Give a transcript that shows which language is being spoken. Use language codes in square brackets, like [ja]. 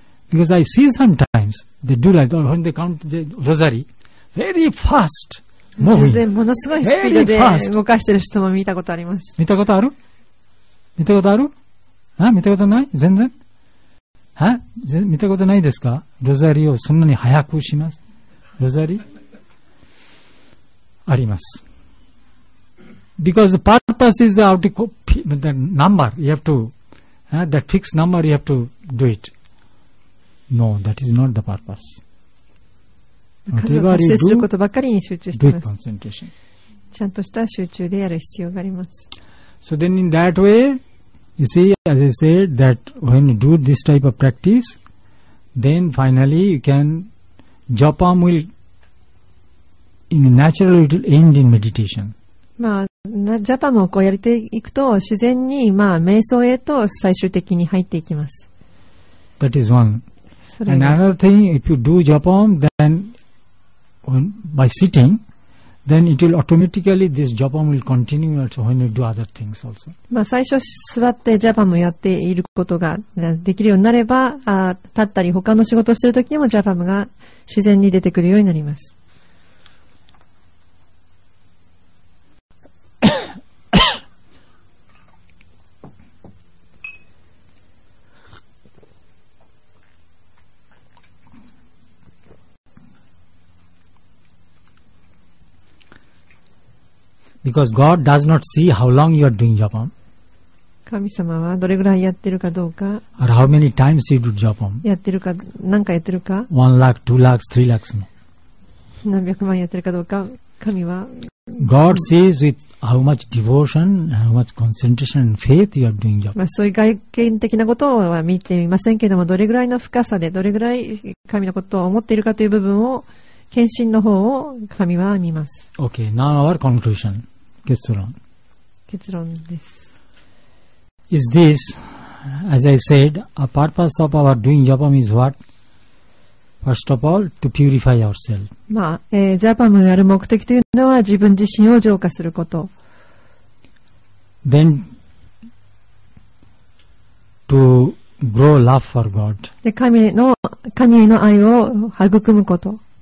[en] Because I see sometimes They do like when they count the rosary Very fast movie [ja] でものすごいスピードで動かしてる人も見たことあります見たことある見たことある、huh? 見たことない全然は見たことないですかロザリをそんなに早くしますロザリあります。 [en] Because the purpose is the the number you have to, that fixed number you have to do it. No, that is not the purpose. Whatever you do, do it concentration. [ja] ちゃんとした集中でやる必要があります。 [en] So then in that way, you see, as I said, that when you do this type of practice, then finally you can, japam will in a natural way end in meditation. [ja] まあ、ジャパンをこうやっていくと自然に、まあ、瞑想へと最終的に入っていきます。 [en] That is one. And another thing, if you do japan, then by sitting, then it will automatically, this japan will continue also when you do other things also. [ja] まあ、最初座ってジャパンをやっていることができるようになれば、あ、立ったり他の仕事をしている時にもジャパンが自然に出てくるようになります。 [en] Because God does not see how long you are doing japam. [ja] 神様はどれぐらいやってるかどうか。 [en] Or how many times you do japam. [ja] やってるか、何回やってるか。 [en] One lakh, two lakhs, three lakhs. [ja] 何百万やってるかどうか、神は。 [en] God sees with how much devotion, how much concentration and faith you are doing japam. [ja] まあそういう外見的なことは見ていませんけれども、どれぐらいの深さで、どれぐらい神のことを思っているかという部分を。献身の方を神は見ます。 [en] OK, now our conclusion. 結論、 [ja] 結論です。 [en] Is this, as I said, a purpose of our doing japam is what? First of all, to purify ourselves. [ja] まあ、ジャパムをやる目的というのは自分自身を浄化すること。 [en] Then to grow love for God. [ja] で、神への愛を育むこと。